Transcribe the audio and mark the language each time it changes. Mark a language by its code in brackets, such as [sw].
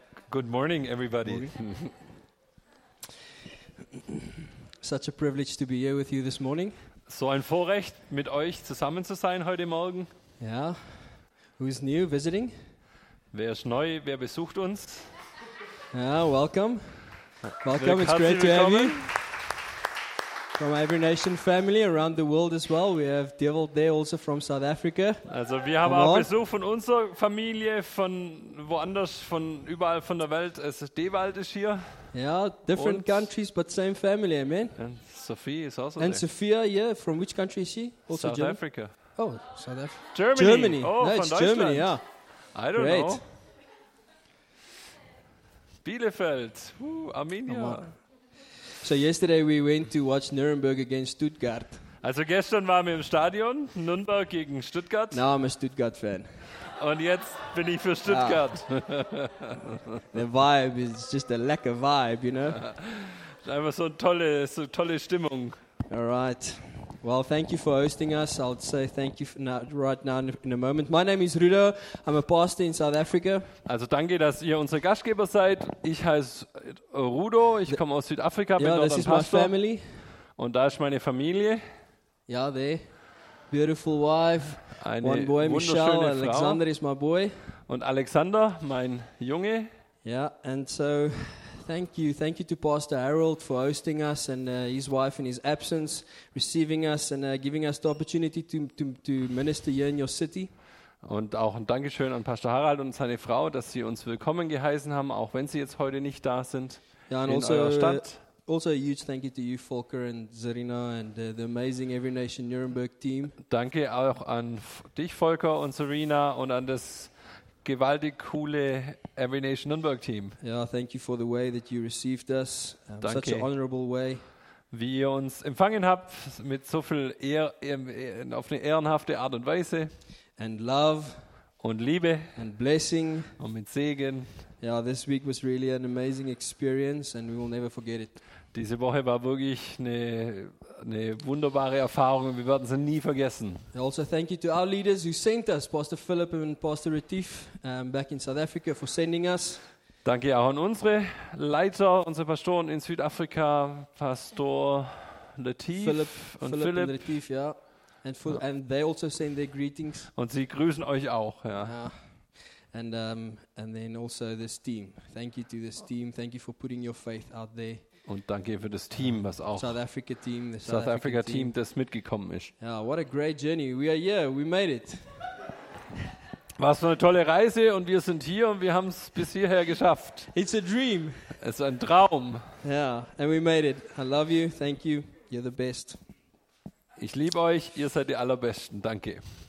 [en] Good morning, everybody. Such a privilege to be here with you this morning. [de] So ein Vorrecht, mit euch zusammen zu sein heute Morgen. [en] Ja. Yeah. Who is new visiting? [de] Wer ist neu? Wer besucht uns? [en] Ja, yeah, welcome. Welcome, it's great to have you. From Every Nation family around the world as well. We have Dirk there also from South Africa. [de] Also wir haben auch Besuch von unserer Familie, von woanders, von überall von der Welt. Also Dewald ist hier. [en] Yeah, different und countries but same family, amen. And Sophie is also and And Sophia, yeah, from which country is she? Also South German? Africa. Oh, South Africa. Germany. Germany. Oh, no, [de] von [en] it's Germany, yeah. I don't great. Know. Bielefeld. Armenia. So yesterday we went to watch Nuremberg against Stuttgart. [de] Also gestern waren wir im Stadion, Nuremberg gegen Stuttgart. [en] Now I'm a Stuttgart fan. [de] Und jetzt bin ich für Stuttgart. [en] The vibe is just a lack of vibe, you know. [de] Einfach so tolle Stimmung. [en] All right. Well, thank you for hosting us. I'll say thank you right now in a moment. My name is Rudo. I'm a pastor in South Africa. [de] Also danke, dass ihr unser Gastgeber seid. Ich heiße Rudo. Ich komme aus Südafrika. Ja, das ist meine Familie. Und da ist meine Familie. [en] Ja, there. Beautiful wife. [de] Eine [en] one boy, Michelle. [de] Frau. [en] Alexander is my boy. [de] Und Alexander, mein Junge. [en] Ja, and so... Thank you to Pastor Harold for hosting us and his wife in his absence, receiving us and giving us the opportunity to minister here in your city. [de] Und auch ein Dankeschön an Pastor Harold und seine Frau, dass sie uns willkommen geheißen haben, auch wenn sie jetzt heute nicht da sind, ja, in also, eurer Stadt. [en] Also a huge thank you to you, Volker and Zarina and the amazing Every Nation Nuremberg team. [de] Danke auch an dich, Volker und Zarina und an das gewaltig coole Every Nation Nuremberg Team. [en] Yeah, thank you for the way that you received us. [de] Danke. [en] Such an honorable way. [de] Wie ihr uns empfangen habt mit so viel auf eine ehrenhafte Art und Weise. [en] And love [de] und Liebe [en] and blessing [de] und mit Segen. [en] Yeah, this week was really an amazing experience and we will never forget it. [de] Diese Woche war wirklich eine wunderbare Erfahrung und wir werden sie nie vergessen. [en] Also thank you to our leaders who sent us, Pastor Philip and Pastor Retief, back in South Africa for sending us. [de] Danke auch an unsere Leiter, unsere Pastoren in Südafrika, Pastor Retief und Philip. [en] And Retief, yeah. And for, ja. And they also send their greetings. [de] Und sie grüßen euch auch, ja. [en] And then also this team. Thank you to this team. Thank you for putting your faith out there. [de] Und danke für das Team, was auch South Africa Team, das mitgekommen ist. [en] Yeah, what a great journey. We are here, we made it. [de] Was für eine tolle Reise und wir sind hier und wir haben es bis hierher geschafft. [en] It's a dream. [de] Es ist ein Traum. [en] Yeah, and we made it. I love you, thank you, you're the best. [de] Ich liebe euch, ihr seid die Allerbesten, danke.